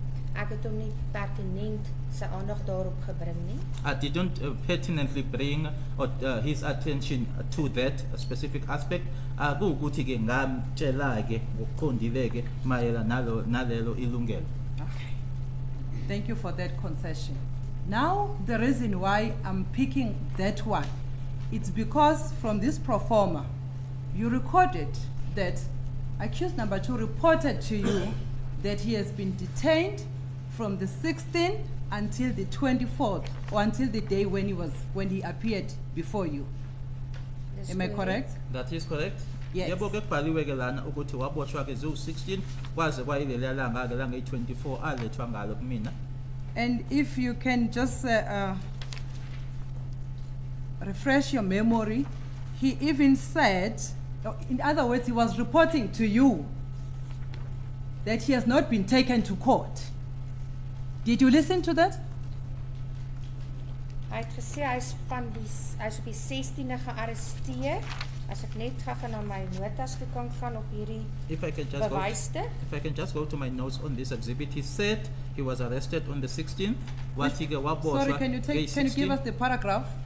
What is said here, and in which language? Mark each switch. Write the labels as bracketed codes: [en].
[af] Ek het hom nie pertinent sy aandag daarop gebring nie. [en] I didn't pertinently bring his attention to that specific aspect. [zu] Kuwukuthi-ke ngamtshela-ke ngokuqondile-ke mayela nalelo ilungelo. [en] Okay. Thank you for that concession. Now, the reason why I'm picking that one, it's because from this pro forma, you recorded that accused number two reported to you that he has been detained from the 16th until the 24th, or until the day when he appeared before you. Am I correct? That is correct. Yes. [zu] Yebo ke kubaliwe ke lana ukuthi waboshwa ke 16 kwaze kwayilela langa ke langa 24 alethwa ngalo kumina. [en] And if you can just refresh your memory, he even said, in other words, he was reporting to you that he has not been taken to court. Did you listen to that? [af] Hy het gesê hy is van die hy is op die 16e gearresteer. As ek net gaga na my notas toe kan gaan op hierdie bewyste. [en] If I can just go to my notes on this exhibit, he said he was arrested on the 16th. What he got was sorry, can you take, can you give us the paragraph?